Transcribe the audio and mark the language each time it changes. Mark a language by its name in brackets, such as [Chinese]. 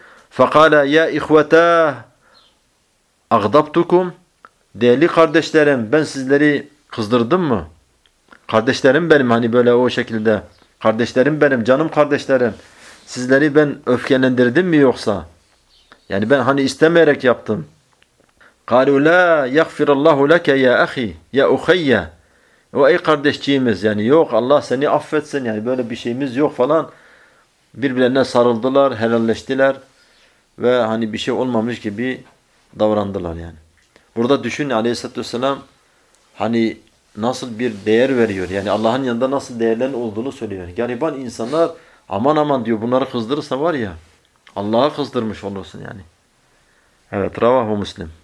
[Arabic] Fekala ya ihvete agdabtukum. [Turkish] Değerli kardeşlerim ben sizleri kızdırdım mı? Kardeşlerim benim hani böyle o şekilde. Kardeşlerim benim, canım kardeşlerim. Sizleri ben öfkelendirdim mi yoksa? Yani ben hani istemeyerek yaptım. [Arabic] قَالُوا لَا يَغْفِرَ اللّٰهُ لَكَ يَا اَخِي يَا اُخَيَّ وَاَيْ kardeşçiğimiz. [Turkish] Yani yok Allah seni affetsin. Yani böyle bir şeyimiz yok falan. Birbirlerine sarıldılar, helalleştiler. Ve hani bir şey olmamış gibi davrandılar yani. Burada düşün aleyhissalatü vesselam hani nasıl bir değer veriyor. Yani Allah'ın yanında nasıl değerlerin olduğunu söylüyor. Gariban insanlar aman aman diyor bunları kızdırırsa var ya Allah'a kızdırmış olursun yani. Evet. Ravahu Müslim.